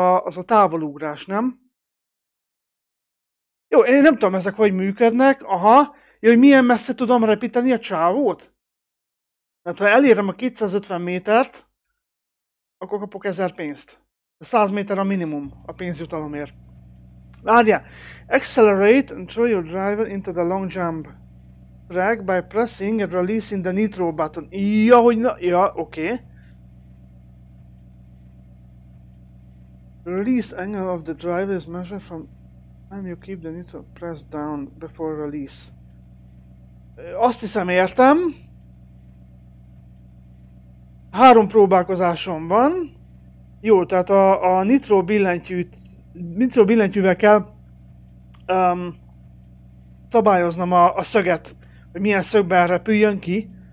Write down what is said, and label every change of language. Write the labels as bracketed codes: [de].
[hu] Az a távolugrás, nem? Jó, én nem tudom, ezek hogy működnek. Aha, hogy milyen messze tudom repíteni a csávót? Mert ha elérem a 250 métert, akkor kapok 1000 pénzt. 100 méter a minimum a pénzjutalomért. Várjál! [en] Accelerate and throw your driver into the long jump track by pressing and releasing the nitro button. [hu] Ja, hogy na... Ja, oké. [en] Release angle of the driver is measured from time you keep the nitro pressed down before release. [hu] Azt hiszem értem. Három próbálkozásom van. Jó, tehát a nitro billentyűt, nitro billentyűvel kell szabályoznom a szöget, hogy milyen szögben repüljön ki.